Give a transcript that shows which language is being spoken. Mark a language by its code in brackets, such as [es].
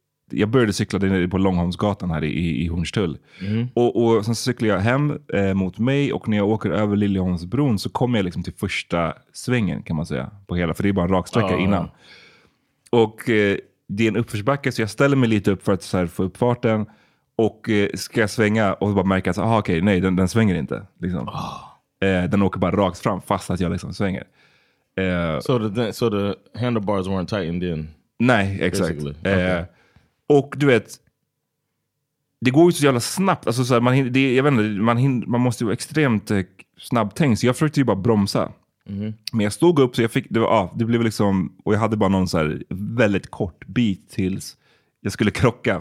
[sv] Jag började cykla på Långholmsgatan här i Hornstull. Och sen cyklar jag hem mot mig, och när jag åker över Liljeholmsbron, så kommer jag liksom till första svängen, kan man säga, på hela, för det är bara en raksträcka innan. Och det är en uppförsbacke, så jag ställer mig lite upp för att så här, få upp farten, och ska jag svänga, och bara märka att okej, nej, den svänger inte. Liksom. Den åker bara rakt fram, fast att jag liksom svänger. [en] So the handlebars weren't tightened in? [sv] Nej, exakt. Och du vet, det går ju så jävla snabbt. Alltså så här, man måste ju vara extremt snabbt tänkt. Så jag försökte ju bara bromsa. Men jag stod upp, så jag fick, det blev liksom, och jag hade bara någon så här väldigt kort bit tills jag skulle krocka.